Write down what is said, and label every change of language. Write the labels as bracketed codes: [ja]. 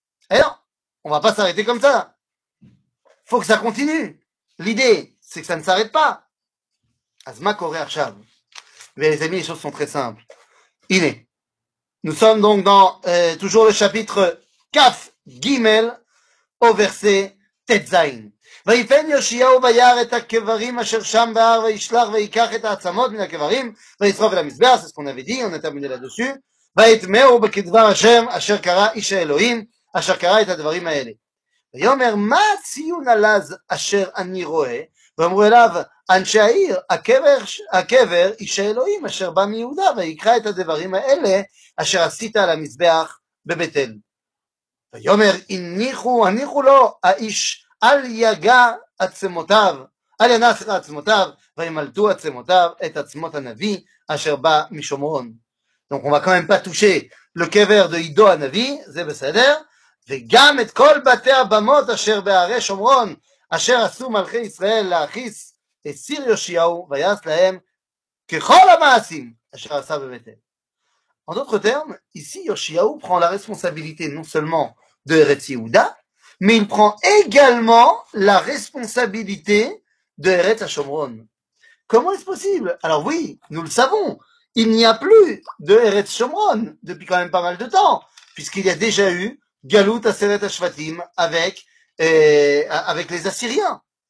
[fr] Eh non, on ne va pas s'arrêter comme ça. Il faut que ça continue. L'idée, c'est que ça ne s'arrête pas. [he] Azma Koré Arshav. [fr] Mais les amis, les choses sont très simples. Iné. Nous sommes donc dans toujours le chapitre Kaf Gimel au verset Tetzain. [he] ויפן יושיהו ביער את הקברים אשר שם בהר וישלח ויקח את העצמות מן הקברים וישרוף אל המזבח ססקון אבידי ונתן מן הלדושים ויתמאו בכדבר השם אשר קרא איש האלוהים אשר קרא את הדברים האלה ויאמר מה הציון הלז אשר אני רואה ואמרו אליו אנשי העיר הקבר איש האלוהים אשר בא מיהודה ויקרא את הדברים האלה אשר עשית על המזבח בבית אל ויאמר הניחו לו האיש על יגע עצמותיו, על ינסר עצמותיו, וימלטו עצמותיו את עצמות הנביא אשר בא משומרון. [fr] Donc on va quand même pas toucher le [he] קבר [fr] de [he] עידו הנביא, זה בסדר, וגם את כל בתי הבמות אשר בערי שומרון, אשר עשו מלכי ישראל להכיס את סיר יושיהו, ויעש להם ככל המעשים אשר עשה בבית אל. [fr] En d'autres termes, ici יושיהו prend la responsabilité non seulement de ארץ יהודה, mais il prend également la responsabilité de Eretz HaShomron. Comment est-ce possible? Alors oui, nous le savons, il n'y a plus de Eretz HaShomron depuis quand même pas mal de temps, puisqu'il y a déjà eu Galout Aseret HaShvatim avec les Assyriens.